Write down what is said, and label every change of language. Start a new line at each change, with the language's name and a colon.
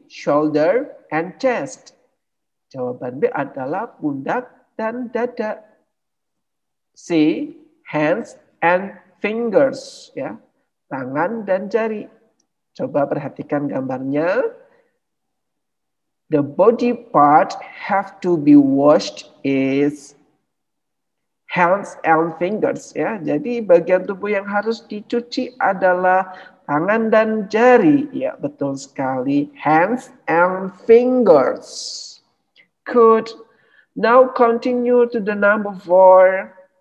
English: Shoulder and chest.
Indonesian: Jawaban B adalah pundak dan dada. C.
English: hands and fingers,
Indonesian: ya, tangan dan jari. Coba perhatikan gambarnya.
English: The body part have to be washed is hands and fingers, ya.
Indonesian: Jadi bagian tubuh yang harus dicuci adalah tangan dan jari, ya, betul sekali,
English: hands and fingers. Good. Now continue to the number four.